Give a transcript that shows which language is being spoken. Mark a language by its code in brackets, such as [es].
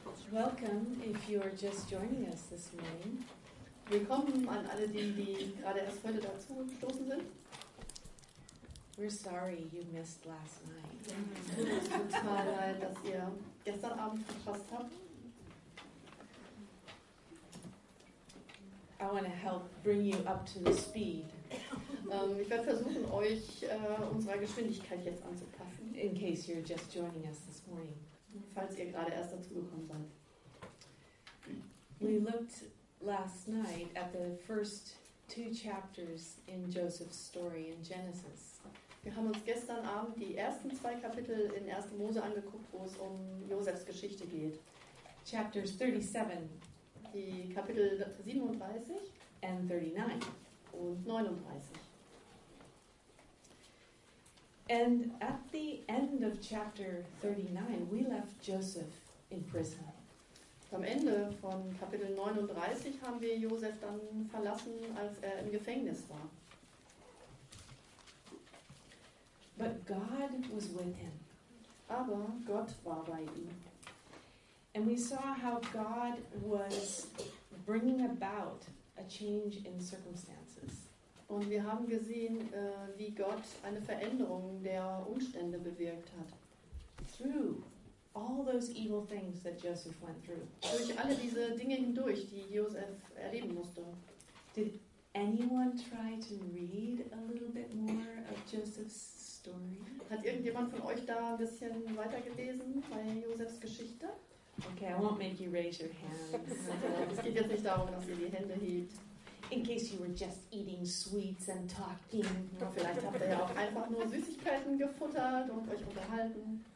[en] Welcome, if you're just joining us this morning. [de] Willkommen an alle, die gerade erst heute dazu gestoßen sind. [en] We're sorry you missed last night. [de] Es tut mir leid, dass ihr gestern Abend verpasst habt. [en] I want to help bring you up to the speed. [de] Ich werde versuchen, euch unserer Geschwindigkeit jetzt anzupassen. [en] In case you're just joining us this morning. [de] Falls ihr gerade erst dazu gekommen seid. [en] We looked last night at the first two chapters in Joseph's story in Genesis. [de] Wir haben uns gestern Abend die ersten zwei Kapitel in 1. Mose angeguckt, wo es um Josefs Geschichte geht. [en] Chapters 37. [de] Die Kapitel 37 [en] and 39 [de] und 39. [en] And at the end of chapter 39, we left Joseph in prison. [de] Am Ende von Kapitel 39 haben wir Josef dann verlassen, als er im Gefängnis war. [en] But God was with him. [de] Aber Gott war bei ihm. [en] And we saw how God was bringing about a change in circumstances. [de] Und wir haben gesehen, wie Gott eine Veränderung der Umstände bewirkt hat. [en] Through all those evil things that Joseph went through. [de] Durch alle diese Dinge hindurch, die Joseph erleben musste. [en] Did anyone try to read a little bit more of Joseph's story? [de] Hat irgendjemand von euch da ein bisschen weitergelesen bei Josefs Geschichte? [en] Okay, I won't make you raise your hands. [de] Es geht jetzt nicht darum, dass ihr die Hände hebt. [en] In case you were just eating sweets and talking. [de] Vielleicht habt ihr ja auch einfach nur Süßigkeiten gefuttert und euch unterhalten.